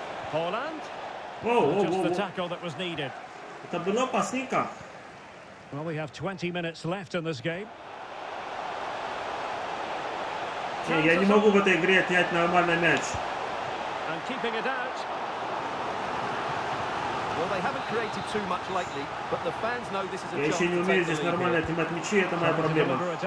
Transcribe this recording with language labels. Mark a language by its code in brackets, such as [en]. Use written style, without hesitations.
[en] Holland. Whoa. The tackle that was needed. [ru] Это была пасника. [en] Well, we have 20 minutes left in this game. [ru] Я не могу в этой игре отнять нормальный мяч. [en] And keeping it out. Well, they haven't created too much lately, but the fans know this is a chance. [ru] Я ещё не умею здесь нормально отнимать мячи, это моя проблема.